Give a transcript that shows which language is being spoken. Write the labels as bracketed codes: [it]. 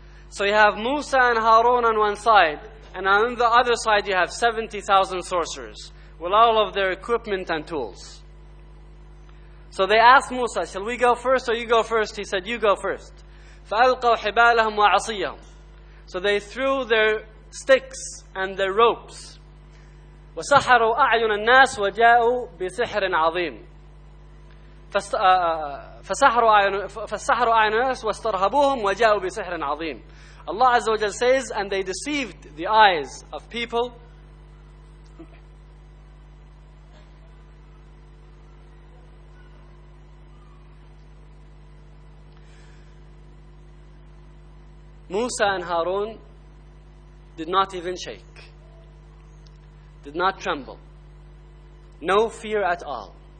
[en] So you have Musa and Harun on one side, and on the other side you have 70,000 sorcerers with all of their equipment and tools. So they asked Musa, shall we go first or you go first? He said, you go first. [ar] فَأَلْقَوْ حِبَالَهُمْ وَعَصِيَّهُمْ. [en] So they threw their sticks and their ropes. [ar] وَسَحَرُوا أَعْيُنَ النَّاسِ وَجَاءُوا بِسِحْرٍ عَظِيمٍ. فسحروا أعين الناس واسترهبوهم وجاءوا بسحر عظيم. [en] Allah Azza wa Jal says, and they deceived the eyes of people. Musa and Harun did not even shake, did not tremble, no fear at all.